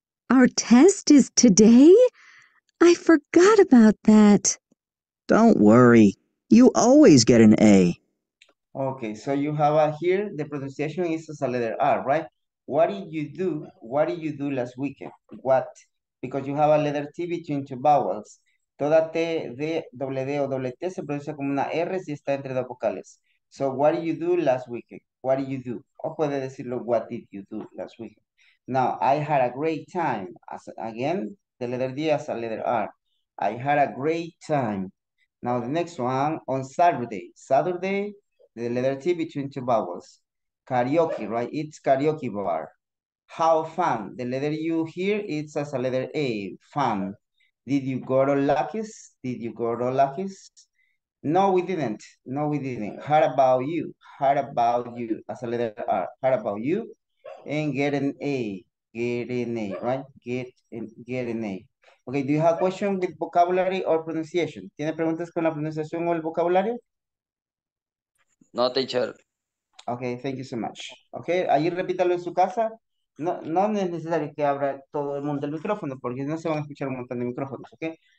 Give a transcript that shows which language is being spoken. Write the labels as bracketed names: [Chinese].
[English] Our test is today? I forgot about that. Don't worry. You always get an A. Okay, so you have here, the pronunciation is as a letter R, right? What did you do last weekend? What? Because you have a letter T between two vowels. [Spanish] Toda T, D, doble D o doble T se pronuncia como una R si está entre dos vocales. [English] So what did you do last weekend? What did you do? [Spanish] O puede decirlo, [English] what did you do last weekend? Now, I had a great time. As, again, the letter D as a letter R. I had a great time. Now the next one, on Saturday. Saturday, the letter T between two vowels. Karaoke, right? It's karaoke bar. How fun. The letter U here, it's as a letter A, fun. Did you go to Lucky's? Did you go to Lucky's? No, we didn't. No, we didn't. How about you? How about you? As a letter R. How about you? And get an A. Get an A, right? Get an A. Okay, do you have a question with vocabulary or pronunciation? [Spanish] ¿Tiene preguntas con la pronunciación o el vocabulario? [English] No, teacher. Okay, thank you so much. Okay, [Spanish] ahí repítalo en su casa. No, no es necesario que abra todo el mundo el micrófono porque no se van a escuchar un montón de micrófonos, okay?